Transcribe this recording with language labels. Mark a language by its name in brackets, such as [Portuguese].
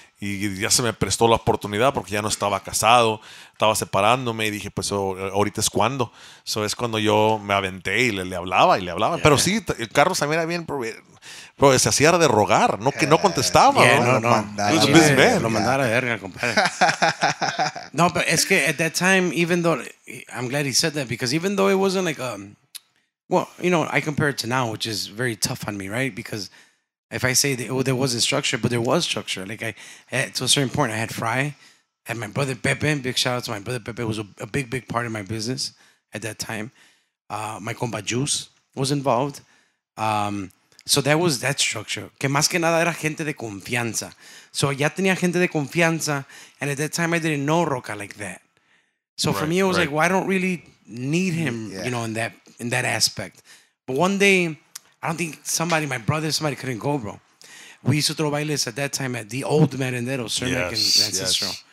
[Spanish] Y ya se me prestó la oportunidad porque ya no estaba casado, estaba separándome, y dije, pues ahorita es cuando. So es cuando yo me aventé y le hablaba. Yeah. Pero sí, el carro también era bien, pero se hacía de rogar, no que no contestaba. Yeah, no. Lo mandara a verga, compadre. No, pero es que [English] at that time, even though, I'm glad he said that, because even though it wasn't like you know, I compare it to now, which is very tough on me, right? Because if I say that there wasn't structure, but there was structure. Like, to a certain point, I had Fry, and my brother Pepe, big shout out to my brother Pepe, was a big, big part of my business at that time. My compa Juice was involved. So that was that structure. [Spanish] Que más que nada era gente de confianza. [English] So [Spanish] ya tenía gente de confianza, [English] and at that time, I didn't know Roca like that. So for me, it was like, well, I don't really need him, you know, in that aspect. But one day, I don't think somebody, my brother, somebody couldn't go, bro. We used to throw bailes at that time at the old Merendero, Cermak and Ancestral.